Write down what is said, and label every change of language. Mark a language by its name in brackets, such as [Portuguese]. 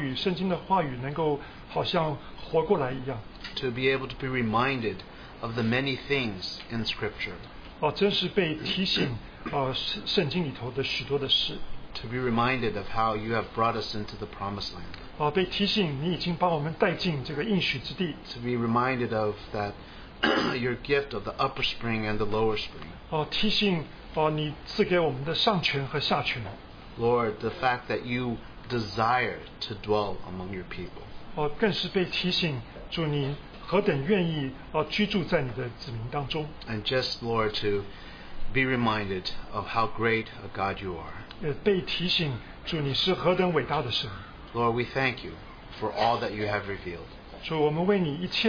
[Chinese] 真是就在他们的眼前，让你的话语，圣经的话语，能够好像活过来一样。 [English] To be able to be reminded of the many things in Scripture. [Chinese] 真是被提醒，圣经里头的许多的事。 [English] To be reminded of how you have brought us into the Promised Land. [Chinese] 被提醒，你已经把我们带进这个应许之地。 [English] To be reminded of that your gift of the upper spring and the lower spring. [Chinese] 提醒。 [English] Lord, the fact that you desire to dwell among your people. [Chinese] 更是被提醒，主你何等愿意居住在你的子民当中。 [English] And just, Lord, to be reminded of how great a God you are. [Chinese] 被提醒，主你是何等伟大的神。 [English] Lord, we thank you for all that you have revealed.